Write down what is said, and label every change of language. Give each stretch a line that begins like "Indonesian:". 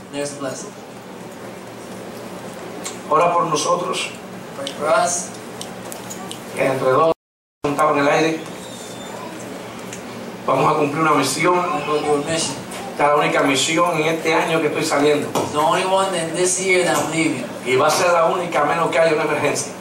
English: There's the blessing.
Spanish: Ora por nosotros.
English: Pray for us.
Spanish: Que entre dos juntamos en el aire. Vamos a cumplir una misión. Esta es la única misión en este año que estoy saliendo.
English: The only one in this year that I'm leaving.
Spanish: Y va a ser la única a menos que haya una emergencia.